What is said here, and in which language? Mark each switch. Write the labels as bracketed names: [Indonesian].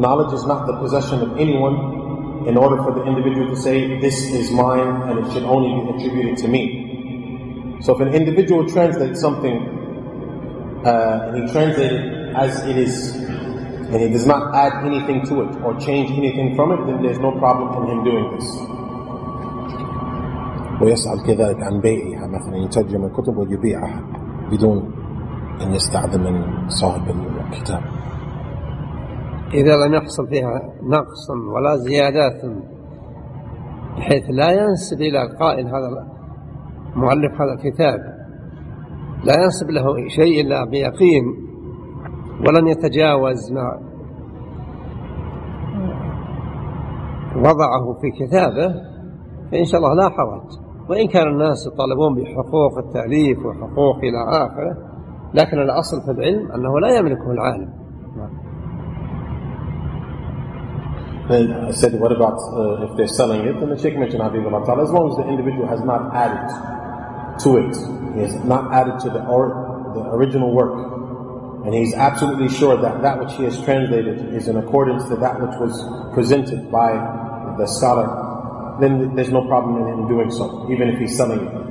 [English] Knowledge is not the possession of anyone in order for the individual to say, this is mine and it should only be attributed to me. So if an individual translates something and he translates it as it is, and he does not add anything to it or change anything from it, then there's no problem in him doing this. [Arabic] ويسأل كذلك عن بيعها مثلا يترجم الكتب ويبيعها بدون أن يستعذن من صاحب الكتاب. إذا لم يحصل فيها نقص ولا زيادات بحيث لا ينسب إلى القائل هذا مؤلف هذا الكتاب لا ينسب له شيء إلا بيقين ولن يتجاوز ما وضعه في كتابه فإن شاء الله لا حرج. وإن كان الناس يطالبون بحقوق التأليف وحقوق إلى آخره لكن الأصل في العلم أنه لا يملكه العالم. [English] Then I said, what about if they're selling it? And the Sheikh mentioned, Habibullah Ta'ala, as long as the individual has not added to it, he has not added to the original work, and he's absolutely sure that that which he has translated is in accordance to that which was presented by the scholar, then there's no problem in him doing so, even if he's selling it.